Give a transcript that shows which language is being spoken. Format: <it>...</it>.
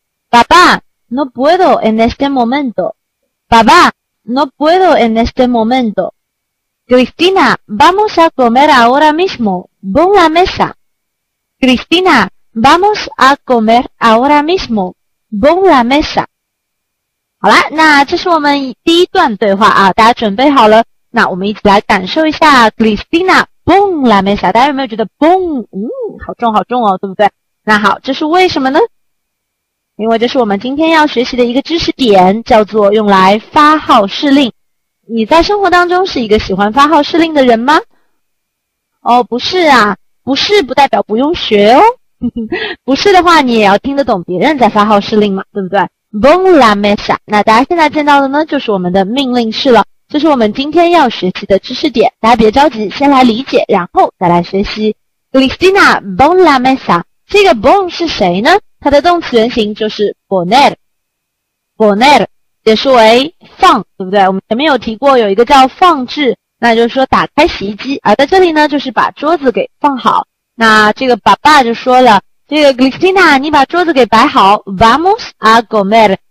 <es>Papá, no puedo en este momento. Papá, no puedo en este momento. Cristina, vamos a comer ahora mismo, pon la mesa. Cristina, vamos a comer ahora mismo. Pon la mesa.</es> <zh>好啦，那这是我们第一段对话啊，大家准备好了？那我们一起来感受一下</zh> <es>Cristina, pon la mesa.</es> <zh>大家有没有觉得 pon, 好重好重哦，对不对？那好，这是为什么呢？因为这是我们今天要学习的一个知识点，叫做用来发号施令。你在生活当中是一个喜欢发号施令的人吗？哦，不是啊。不是不代表不用学哦不是的话你也要听得懂别人在发号施令嘛，对不对？</zh> <es>Pon la mesa</es> <zh>那大家现在见到的呢就是我们的命令式了，这是我们今天要学习的知识点，大家别着急，先来理解然后再来学习。</zh> <es>Cristina, pon la mesa</es> <zh>这个 pon 是谁呢？它的动词原形就是 poner poner 解释为放，对不对？我们前面有提过有一个叫放置，那就是说打开洗衣机，而在这里呢就是把桌子给放好。那这个爸爸就说了，这个 Cristina 你把桌子给摆好，</zh> <es>vamos a comer。</es>